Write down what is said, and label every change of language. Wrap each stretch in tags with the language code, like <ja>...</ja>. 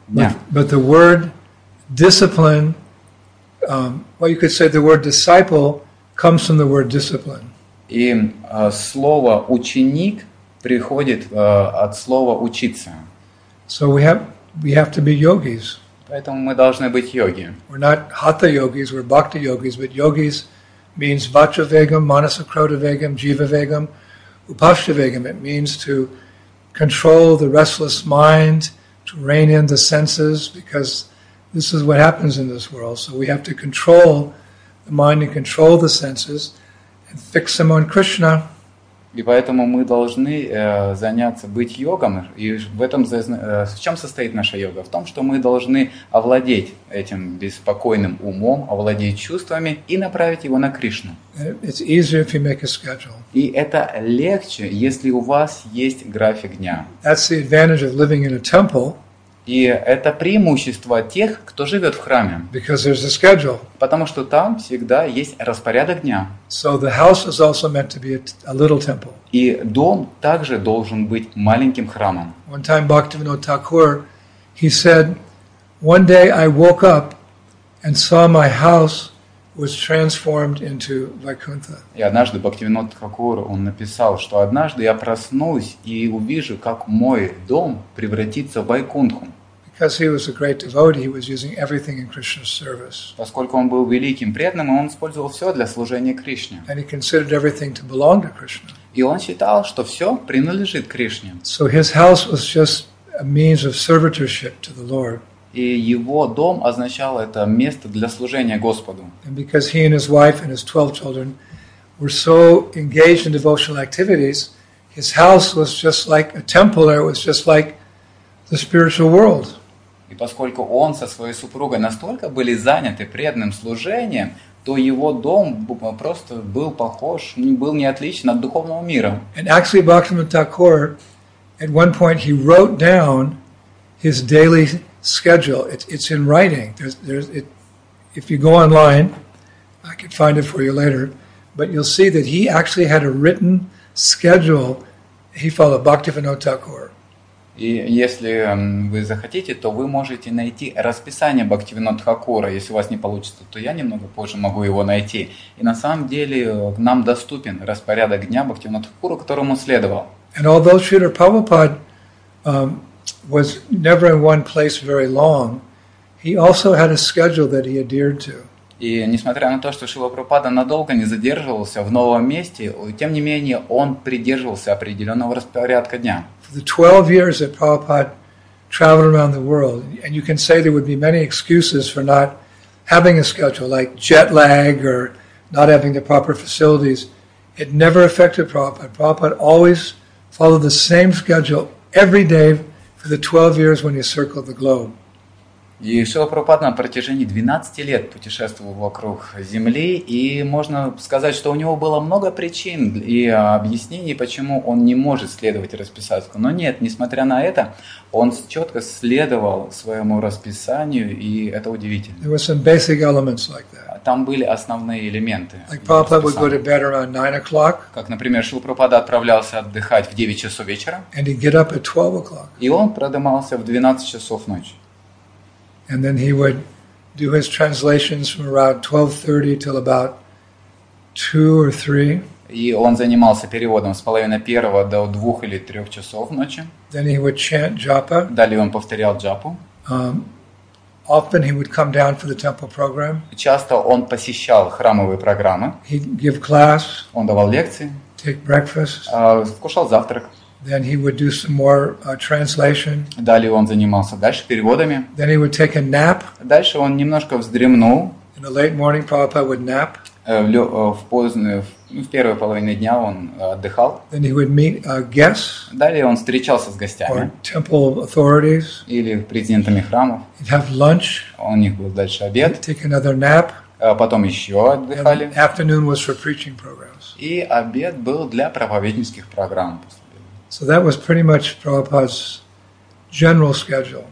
<en>But the word discipline, well, you could say the word disciple comes from the word discipline.</en> <ru>И слово ученик приходит от слова учиться.</ru> <en>So we have to be yogis.</en> <ru>Поэтому мы должны быть йоги.</ru> <en>We're not hatha yogis, we're bhakti yogis, but yogis means vajravegam, manasakrodavegam, jivavegam, upashtavegam. It means to control the restless mind, to rein in the senses, because this is what happens in this world. So we have to control the mind and control the senses and fix them on Krishna.</en> <ru>И поэтому мы должны заняться быть йогом. И в чем состоит наша йога? В том, что мы должны овладеть этим беспокойным умом, овладеть чувствами и направить его на Кришну.</ru> <en>It's easier if you make a schedule.</en> <ru>И это легче, если у вас есть график дня.</ru> <en>That's the advantage of living in a temple.</en> <ru>И это преимущество тех, кто живет в храме.</ru> <en>Because there's a schedule.</en> <ru>Потому что там всегда есть распорядок дня.</ru> <en>So the house is also meant to be a little temple.</en> <ru>И дом также должен быть маленьким храмом.</ru> <en>One time Bhaktivinoda Thakur, he said, one day I woke up and saw my house was transformed into Vaikuntha.</en> <ru>И однажды Бхактивинод Такур, он написал, что однажды я проснусь и увижу, как мой дом превратится в Вайкунтху.</ru> <en>Because he was a great devotee, he was using everything in Krishna's service.</en> <ru>Поскольку он был великим преданным, он использовал все для служения Кришне.</ru> <en>And he considered everything to belong to Krishna.</en> <ru>И он считал, что все принадлежит Кришне.</ru> <en>So his house was just a means of servitorship to the Lord.</en> <ru>И его дом означал это место для служения Господу.</ru> <en>And because he and his wife and his 12 children were so engaged in devotional activities, his house was just like a temple, or it was just like the spiritual world.</en> <ru>И поскольку он со своей супругой настолько были заняты преданным служением, то его дом просто был похож, был не отличен от духовного мира.</ru> <en>And actually, Bhaktivinoda Thakur, at one point, he wrote down his daily schedule. It's in writing. There's if you go online, I can find it for you later, but you'll see that he actually had a written schedule. He followed Bhaktivinoda Thakur.</en> <ru>И если вы захотите, то вы можете найти расписание Бхактивинода Тхакура. Если у вас не получится, то я немного позже могу его найти. И на самом деле нам доступен распорядок дня Бхактивинода Тхакура, которому следовал.</ru> <en>And although Śrīla Prabhupāda was never in one place very long, he also had a schedule that he adhered to.</en> <ru>И несмотря на то, что Шрила Прабхупада надолго не задерживался в новом месте, тем не менее он придерживался определенного распорядка дня.</ru> <en>For the 12 years that Prabhupada traveled around the world, and you can say there would be many excuses for not having a schedule, like jet lag or not having the proper facilities, it never affected Prabhupada. Prabhupada always followed the same schedule every day for the 12 years when he circled the globe.</en> <ru>И Шрила Прабхупада на протяжении 12 лет путешествовал вокруг Земли, и можно сказать, что у него было много причин и объяснений, почему он не может следовать расписанию. Но нет, несмотря на это, он четко следовал своему расписанию, и это удивительно.</ru> <en>There were some basic elements like that.</en> <ru>Там были основные элементы.</ru> <en>Like Prabhupada would go to bed around 9 o'clock.</en> <ru>Как, например, Шрила Прабхупада отправлялся отдыхать в 9 часов вечера.</ru> <en>And he'd get up at 12 o'clock.</en> <ru>И он продымался в 12 часов ночи.</ru> <en>And then he would do his translations from around 12:30 till about 2 or 3.</en> <ru>И он занимался переводом с половины первого до двух или трех часов ночи.</ru> <en>Then he would chant japa.</en> <ru>Далее он повторял джапу.</ru> <en>Often he would come down for the temple program.</en> <ru>Часто он посещал храмовые программы.</ru> <en>He'd give class.</en> <ru>Он давал лекции.</ru> <en>Take breakfast.</en> <ru>Кушал завтрак.</ru> <en>Then he would do some more translation.</en> <ru>Далее он занимался дальше переводами.</ru> <en>Then he would take a nap.</en> <ru>Дальше он немножко вздремнул.</ru> <en>In the late morning, Prabhupada would nap.</en> <ru>В первой половине дня он отдыхал.</ru> <en>Then he would meet guests.</en> <ru>Далее он встречался с гостями.</ru> <en>Or temple authorities.</en> <ru>Или президентами храмов.</ru> <en>He'd have lunch.</en> <ru>У них был дальше обед.</ru> <en>He'd take another nap.</en> <ru>Потом еще отдыхали.</ru> <en>And afternoon was for preaching programs.</en> <ru>И обед был для проповеднических программ.</ru> <en>So that was pretty much Prabhupada's general schedule.</en>